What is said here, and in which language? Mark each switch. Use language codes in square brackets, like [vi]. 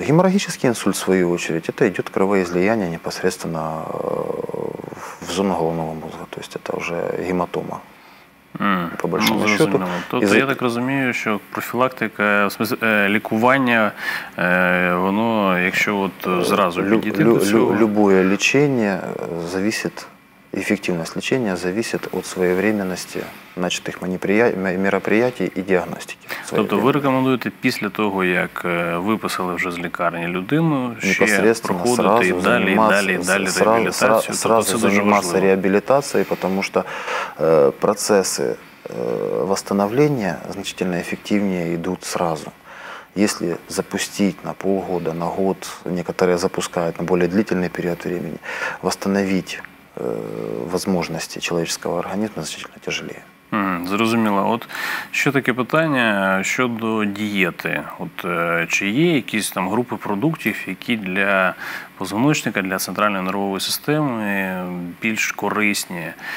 [ru] Геморрагический инсульт, в свою очередь, это идет кровоизлияние непосредственно в зону головного мозга, то есть это уже гематома. По большому счету. [uk] Тобто, я так розумію, що профілактика, в смысле, лікування, воно, якщо от зразу підійти до цього... [ru] Любое лечение зависит, эффективность лечения зависит от своевременности начатых мероприятий и диагностики. [uk] Тобто, ви рекомендуєте після того, як виписали вже з лікарні людину, ще проходити далі реабілітацію? [ru] Сразу заниматься реабілітацією, потому что процессы восстановления значительно эффективнее идут сразу. Если запустить на полгода, на год, некоторые запускают на более длительный период времени, восстановить возможности человеческого организма значительно тяжелее. [uk] Зрозуміло. От ще таке питання щодо дієти. От чи є якісь там групи продуктів, які для позвоночника, для центральної нервової системи більш корисні?